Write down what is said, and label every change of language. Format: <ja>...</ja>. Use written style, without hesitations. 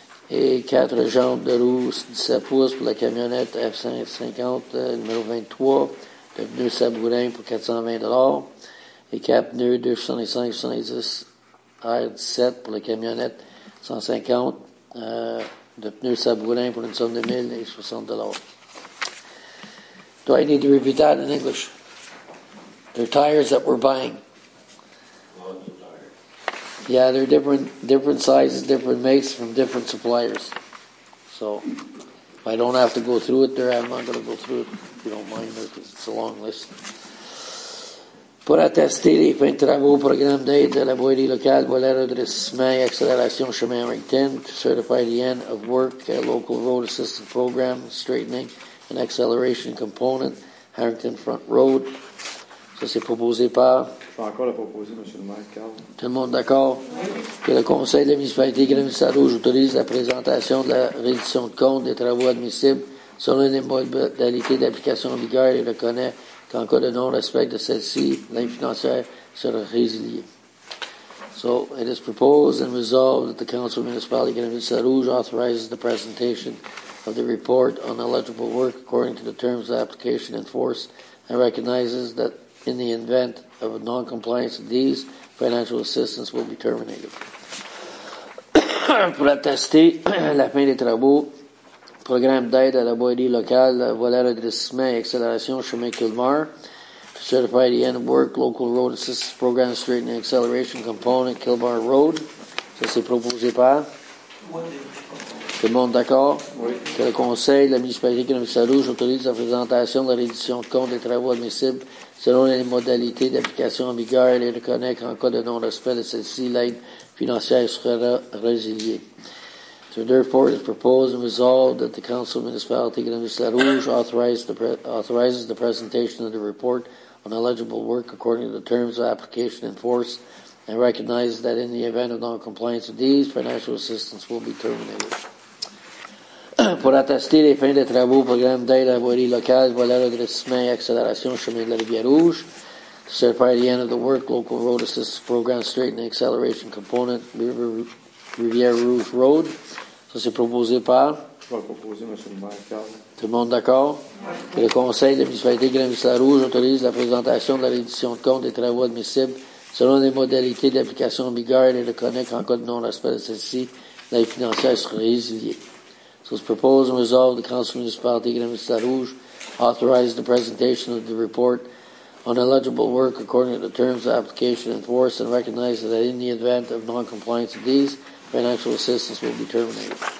<fr>Et 4 jantes de roue 17 pouces pour la camionnette F-550 numéro 23, de pneus sabourin pour 420 $. Et 4 pneus, 275-70 R17 pour la camionnette 150 de pneus sabourin pour une somme de 1 060 $.</fr> <en>Do I need to repeat that in English? They're tires that we're buying. Yeah, they're different sizes, different makes from different suppliers. So if I don't have to go through it there, I'm not going to go through it, if you don't mind, because it's a long list.</en> <fr>Pour attester les fins de travaux, programme d'aide de la voirie locale, voilà redressement et accélération chemin américain,</fr> <en>to certify the end of work, local road assistance program, straightening and acceleration component, Harrington Front Road.</en> <fr>Ça, c'est proposé par... Je vais encore le proposer, M. le maire, Carl. Tout le monde d'accord? Oui. Que le conseil de la municipalité Grenville-Sainte Rouge autorise la présentation de la reddition de compte des travaux admissibles selon les modalités d'application en vigueur et reconnaît qu'en cas de non-respect de celle-ci, l'aide financière sera résiliée.</fr> <en>So, it is proposed and resolved that the Council municipal de Grenville-Sainte Rouge authorizes the presentation of the report on eligible work according to the terms of the application in force and recognizes that in the event of a non-compliance of these, financial assistance will be terminated.</en> <fr>Pour attester la fin des travaux, programme d'aide à la voirie locale, voilà redressement et accélération chemin Kilmar,</fr> <en>to certify the end of work, local road assistance program, straightening acceleration component, Kilmar Road.</en> <fr>Ça, c'est proposé par? Tout le monde d'accord? Oui. Que le conseil de la municipalité économique de Rouge autorise la présentation de la reddition de compte des travaux admissibles selon les modalités d'application en vigueur et les reconnaît qu'en cas de non-respect de celle-ci, l'aide financière sera résiliée.</fr> <en>So therefore, it is proposed and resolved that the Council of Municipality Grenville Sainte Rouge authorizes the presentation of the report on eligible work according to the terms of application in force and recognizes that in the event of non-compliance of these, financial assistance will be terminated.</en> <fr>Pour attester les fins des travaux, programme d'aide à la voirie locale, voilà redressement et accélération chemin de la Rivière Rouge.</fr> <en>To certify the end of the work, local road assistance program, straightening acceleration component, Rivière Rouge Road.</en> <fr>Ça, c'est proposé par? Je vais proposer, M. le maire, Carl. Tout le monde d'accord? Oui. Le conseil de la municipalité Grenville-Sainte Rouge autorise la présentation de la reddition de compte des travaux admissibles selon les modalités d'application en vigueur et reconnaît qu'en cas de non-respect de celle-ci, l'aide financière sera résiliée.</fr> <en>So it's proposed and resolved the Council Municipality of Grenville-Sainte Rouge authorizes the presentation of the report on eligible work according to the terms of application in force and recognizes that in the event of non-compliance of these, financial assistance will be terminated.</en>